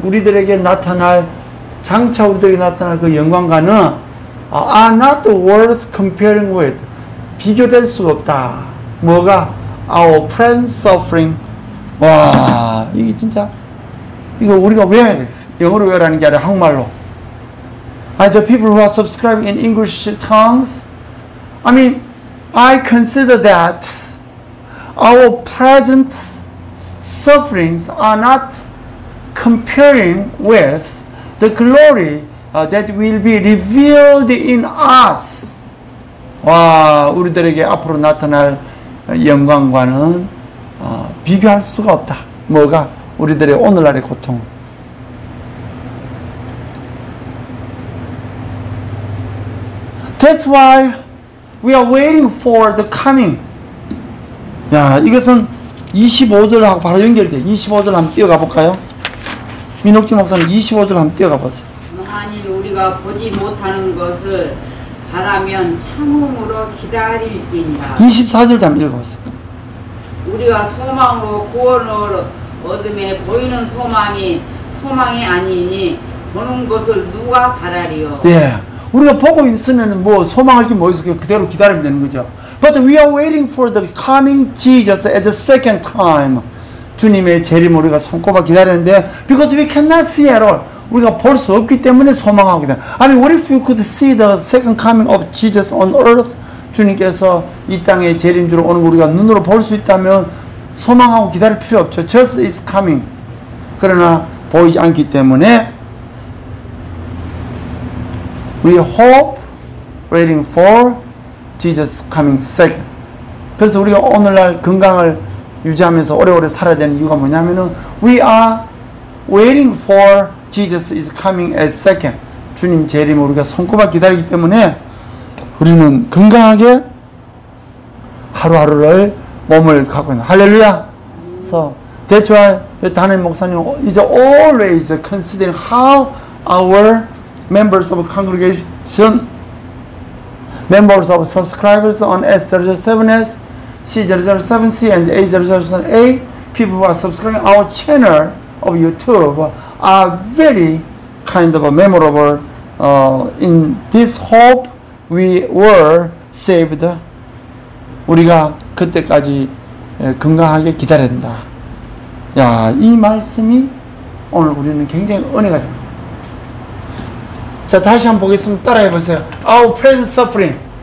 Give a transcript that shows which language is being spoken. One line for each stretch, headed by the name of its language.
Korean: 우리들에게 나타날 장차 우리들에게 나타날 그 영광과는
English: are not worth comparing with.
Korean: 비교될 수 없다. 뭐가?
English: Our present suffering.
Korean: 와, 이게 진짜 이거 우리가 외워야 되겠어. 영어로 외우라는 게 아니라 한국말로.
English: The people who are subscribing in English tongues, I mean, I consider that our present sufferings are not comparing with the glory that will be revealed in us.
Korean: 와, 우리들에게 앞으로 나타날 영광과는 비교할 수가 없다. 뭐가? 우리들의 오늘날의 고통. 그래서
English: why we are waiting for the coming.
Korean: 야, 이것은 25절하고 바로 연결돼. 25절 한번 띄어가 볼까요? 민옥진 목사님 25절 한번 띄어가 보세요. 만일 우리가 보지 못하는 것을 바라면 참음으로 기다릴지니라. 24절도 한번 읽어보세요. 우리가 소망으로 구원을 얻음에 보이는 소망이 소망이 아니니 보는 것을 누가 바라리요? 예. 우리가 보고 있으면 뭐 소망할지 뭐 있을지 그대로 기다리면 되는 거죠.
English: But we are waiting for the coming Jesus at the second time.
Korean: 주님의 재림 우리가 손꼽아 기다리는데
English: because we cannot see at all.
Korean: 우리가 볼 수 없기 때문에 소망하고 기다려.
English: I mean, what if you could see the second coming of Jesus on earth?
Korean: 주님께서 이 땅에 재림 주로 오는 걸 우리가 눈으로 볼 수 있다면 소망하고 기다릴 필요 없죠.
English: Just is coming.
Korean: 그러나 보이지 않기 때문에
English: We hope waiting for Jesus coming second.
Korean: 그래서 우리가 오늘날 건강을 유지하면서 오래오래 살아야 되는 이유가 뭐냐면은
English: we are waiting for Jesus is coming as second.
Korean: 주님 재림을 우리가 손꼽아 기다리기 때문에 우리는 건강하게 하루하루를 몸을 갖고 있는 할렐루야.
English: So that's why
Korean: 담임 목사님
English: is always considering how our members of congregation, members of subscribers on S007S, C007C and A007A, people who are subscribing our channel of YouTube are very kind of a memorable in this hope we were saved.
Korean: 우리가 그때까지 건강하게 기다린다. 야, 이 말씀이 오늘 우리는 굉장히 은혜가 됩니다. 자, 다시 한번 보겠습니다. 따라해 보세요.
English: Our present suffering.